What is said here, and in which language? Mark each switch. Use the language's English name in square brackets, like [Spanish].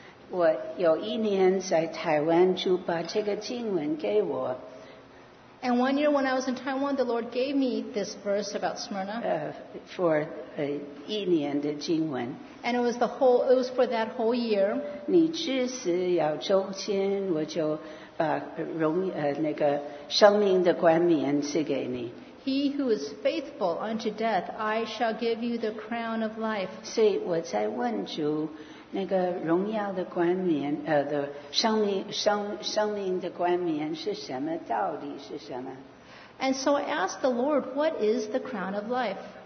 [Chinese] 我有一年在台湾，主把这个经文给我。 [English] And one year when I was in Taiwan, the Lord gave me this verse about Smyrna. For 一年的经文。 And it was for that whole year. [Chinese] 你至死要忠心，我就把那个生命的冠冕赐给你。 [English] He who is faithful unto death, I shall give you the crown of life. [Chinese] 所以我在问主，那个荣耀的冠冕，的生命的冠冕是什么？到底是什么？ [English] And so I asked the Lord, what is the crown of life?